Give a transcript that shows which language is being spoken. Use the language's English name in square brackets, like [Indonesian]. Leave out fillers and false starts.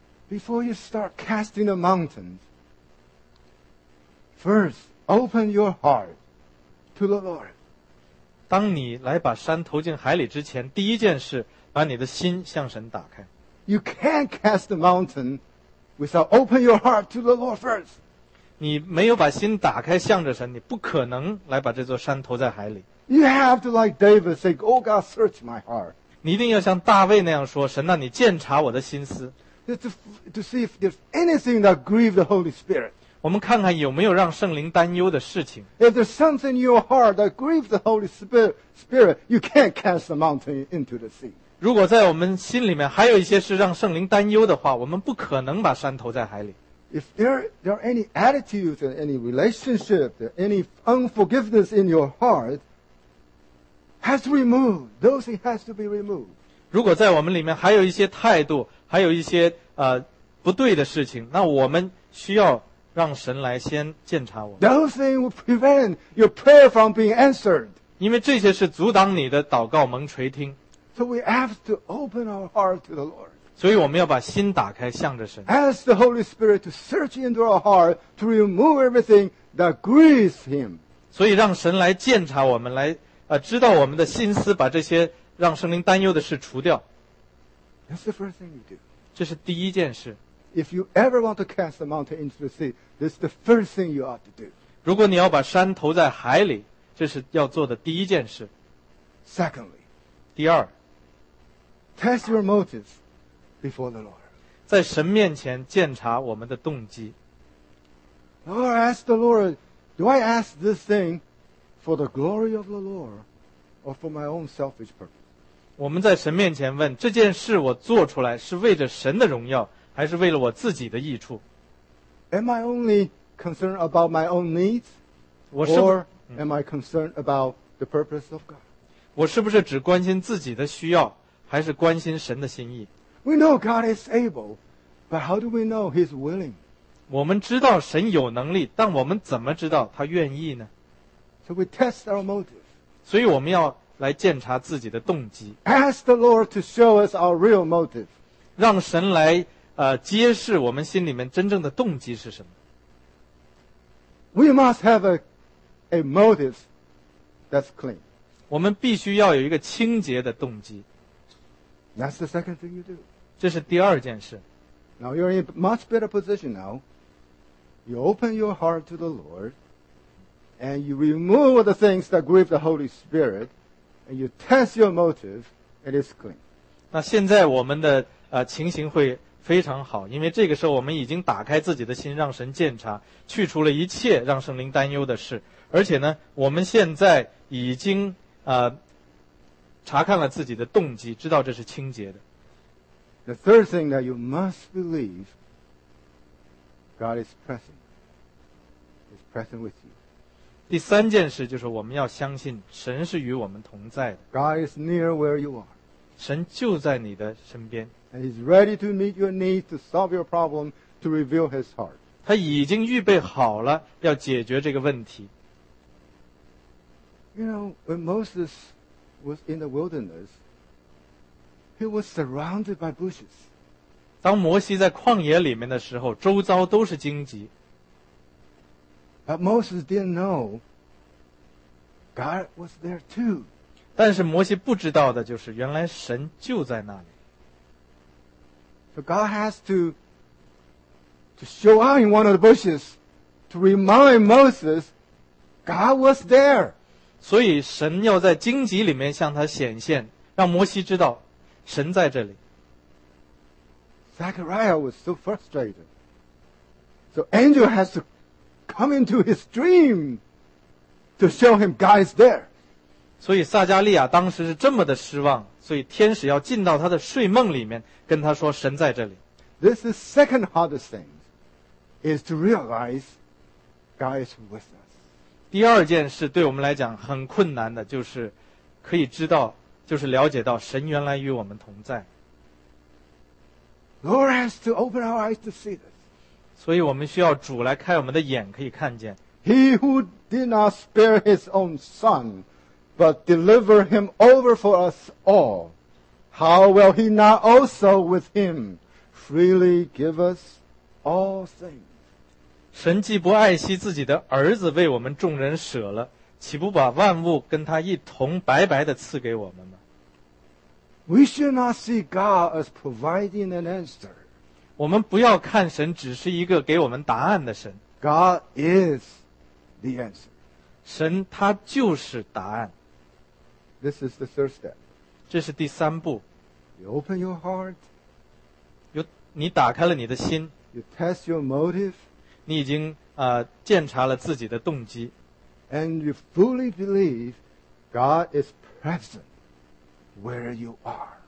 [English] Before you start casting the mountains, first,Open your heart to the Lord. [Chinese] 当你来把山投进海里之前，第一件事，把你的心向神打开。 [English] You can't cast the mountain without open your heart to the Lord first. [Chinese] 你没有把心打开向着神，你不可能来把这座山投在海里。 [English] You have to like David say, "Oh God, search my heart." [Chinese] 你一定要像大卫那样说，神啊，你鉴察我的心思。 [English] To see if there's anything that grieves the Holy Spirit. [Chinese] 我们看看有没有让圣灵担忧的事情。 [English] If there's something in your heart that grieves the Holy Spirit, you can't cast the mountain into the sea. [Chinese] 如果在我们心里面还有一些是让圣灵担忧的话，我们不可能把山投在海里。 [English] If there are any attitudes and any relationship, any unforgiveness in your heart, has to be removed. Those things has to be removed. [Chinese] 如果在我们里面还有一些态度，还有一些不对的事情，那我们需要。让神来先鉴察我们。 [English] Those things will prevent your prayer from being answered. [Chinese] 因为这些是阻挡你的祷告蒙垂听。 [English] So we have to open our heart to the Lord. [Chinese] 所以我们要把心打开向着神。 [English] Ask the Holy Spirit to search into our heart to remove everything that grieves Him. [Chinese] 所以让神来鉴察我们，来知道我们的心思，把这些让圣灵担忧的事除掉。 [English] That's the first thing you do. [Chinese] 这是第一件事。 [English] If you ever want to cast the mountain into the sea, this is the first thing you ought to do. [Chinese] 如果你要把山投在海里，这是要做的第一件事。 [English] Secondly, [Chinese] 第二 [English] test your motives before the Lord. [Chinese] 在神面前检查我们的动机。 [English] Lord, ask the Lord, do I ask this thing for the glory of the Lord or for my own selfish purpose? [Chinese] 我们在神面前问，这件事我做出来是为着神的荣耀。还是为了我自己的益处。 [English] Am I only concerned about my own needs, or am I concerned about the purpose of God? [Chinese] 我是不是只关心自己的需要，还是关心神的心意？ [English] We know God is able, but how do we know He's willing? [Chinese] 我们知道神有能力，但我们怎么知道他愿意呢？ [English] So we test our motive. [Chinese] 所以我们要来检查自己的动机。 [English] Ask the Lord to show us our real motive. [Chinese] 让神来揭示我们心里面真正的动机是什么。 [English] We must have a a motive that's clean. [Chinese] 我们必须要有一个清洁的动机。 [English] That's the second thing you do. [Chinese] 这是第二件事。 [English] Now you're in a much better position now. You open your heart to the Lord, and you remove the things that grieve the Holy Spirit, and you test your motive, it is clean. [Chinese] 那现在我们的情形会非常好，因为这个时候我们已经打开自己的心，让神鉴察，去除了一切让圣灵担忧的事，而且呢，我们现在已经查看了自己的动机，知道这是清洁的。 [English] The third thing that you must believe, God is present. He's present with you. [Chinese] 第三件事就是我们要相信神是与我们同在的。 [English] God is near where you are. [Chinese] 神就在你的身边。 [English] And He's ready to meet your need, to solve your problem, to reveal His heart. [Chinese] 他已经预备好了要解决这个问题。 [English] You know, when Moses was in the wilderness, he was surrounded by bushes. [Chinese] 当摩西在旷野里面的时候，周遭都是荆棘。 [English] But Moses didn't know God was there too. [Chinese] 但是摩西不知道的就是，原来神就在那里。 [English] So God has to show up in one of the bushes to remind Moses God was there. [Chinese] 所以神要在荆棘里面向他显现，让摩西知道神在这里。 [English] Zechariah was so frustrated. So angel has to come into his dream to show him God is there. [Chinese] 所以撒加利亚当时是这么的失望，所以天使要进到他的睡梦里面跟他说神在这里。 [English] This is second hardest thing is to realize God is with us. [Chinese] 第二件事对我们来讲很困难的，就是可以知道，就是了解到神原来与我们同在。 [English] Lord has to open our eyes to see this. [Chinese] 所以我们需要主来开我们的眼，可以看见。 [English] He who did not spare his own son, but delivered him over for us all, how will he not also with him freely give us all things? [Chinese] 神既不爱惜自己的儿子为我们众人舍了，岂不把万物跟他一同白白的赐给我们吗？ [English] We should not see God as providing an answer. [Chinese] 我们不要看神只是一个给我们答案的神。 [English] God is the answer. [Chinese] 神他就是答案。 [English] This is the third step. [Chinese] 这是第三步。 [English] You open your heart. [Chinese] 你打开了你的心。 [English] You test your motive. [Chinese] 你已经鉴察了自己的动机。 [English] And you fully believe God is present where you are.